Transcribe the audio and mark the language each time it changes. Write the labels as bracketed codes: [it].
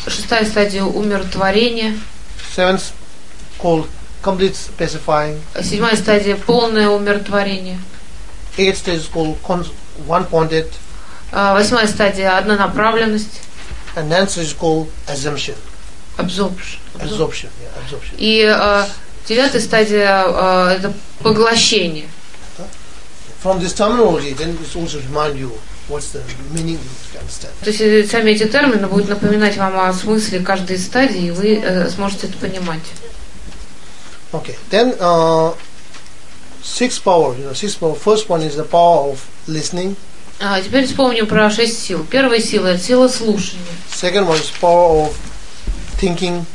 [ru] Шестая стадия умиротворение. [en] Seventh called complete pacifying. [ru] Седьмая стадия полное умиротворение. [en] Eighth stage is called one-pointed. [ru] Восьмая стадия однонаправленность. [en] And ninth stage is called assumption. [ru] Absorption. И девятая стадия это поглощение. [en] From this terminology, then it also remind you what's the meaning you understand. [ru] То есть сами эти термины будут напоминать вам о смысле каждой стадии, и вы сможете это понимать. [en] Okay. Then six power. You know, six power. First one is the power of listening. [ru] Теперь вспомним про шесть сил. Первая сила это сила слушания. [en] Second one is power of thinking.